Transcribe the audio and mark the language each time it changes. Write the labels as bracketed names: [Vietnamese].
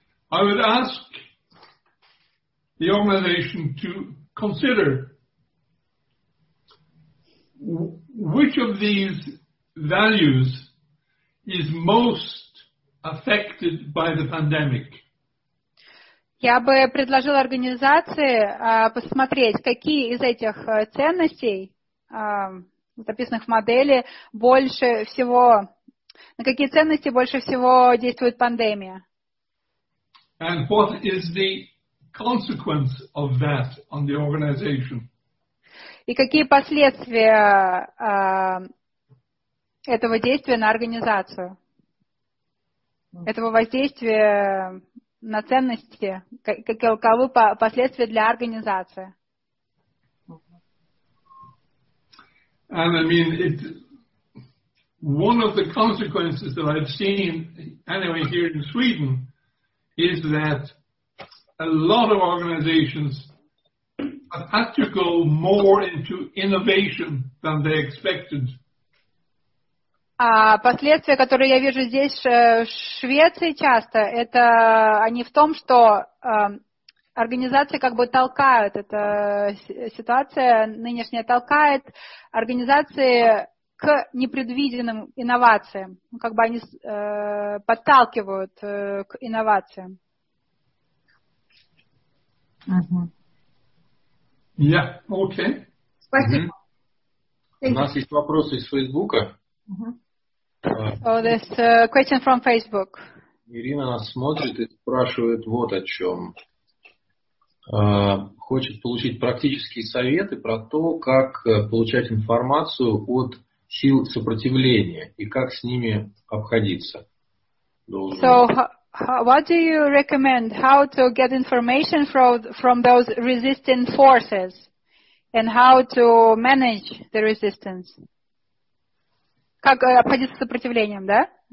[English] I would ask the organization to consider which of these values is most affected by the pandemic. [Russian] Я бы предложил организации посмотреть, какие из этих ценностей, записанных в модели, больше всего, на какие ценности больше всего действует пандемия. [English] And what is the consequence of that on the organization? [Russian] И какие последствия этого действия на организацию, этого воздействия на ценности, каковы последствия для организации? [English] And I mean, it, one of the consequences that I've seen anyway here in Sweden is that a lot of organizations have had to go more into innovation than they expected. [Russian] Последствия, которые я вижу здесь, в Швеции часто, это они в том, что организации как бы толкают, эта ситуация нынешняя толкает организации к непредвиденным инновациям, как бы они подталкивают к инновациям. Спасибо. У нас есть вопросы из Фейсбука. [English] Oh, this question from Facebook. [Russian] Ирина нас смотрит и спрашивает вот о чем. Хочет получить практические советы про то, как получать информацию от сил сопротивления и как с ними обходиться. [English] So, what do you recommend? How to get information from those resisting forces and how to manage the resistance? [Russian] Как обходиться сопротивлением, да?